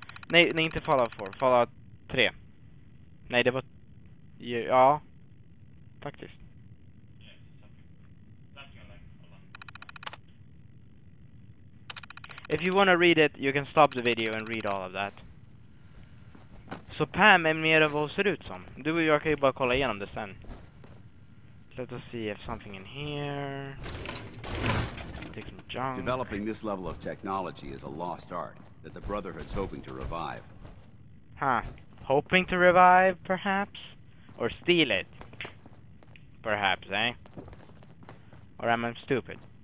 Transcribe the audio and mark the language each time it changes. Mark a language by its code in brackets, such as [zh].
[sv] Nej, inte Fallout 4, Fallout 3. Nej, det var... Ja... Faktiskt. [en] If you wanna read it, you can stop the video and read all of that. [sv] Så Pam är mer av vad ser ut som. Du och jag kan ju bara kolla igenom det sen. [en] Let us see if something in here... Developing this level of technology is a lost art that the Brotherhood's hoping to revive. Huh. Hoping to revive, perhaps? Or steal it? Perhaps, eh? Or am I stupid?